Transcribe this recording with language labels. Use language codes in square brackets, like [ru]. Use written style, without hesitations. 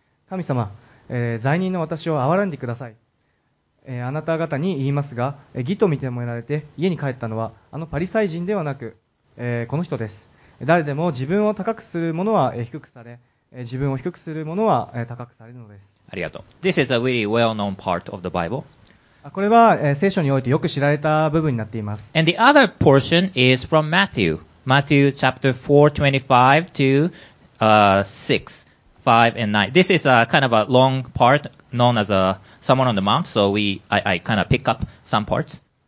[ja] 神様、罪人の私を憐れんでください。あなた方に言いますが、義と認められて家に帰ったのは、あのパリサイ人ではなく、この人です。誰でも自分を高くするものは低くされ、自分を低くするものは高くされるのです。ありがとう。 [en] This is a really well-known part of the Bible. [ja] これは、聖書においてよく知られた部分になっています。 [en] And the other portion is from Matthew. Matthew chapter 4:25 to 6. 5 and 9. This is a kind of a long part known as a Sermon on the Mount, so I kind of pick up some parts.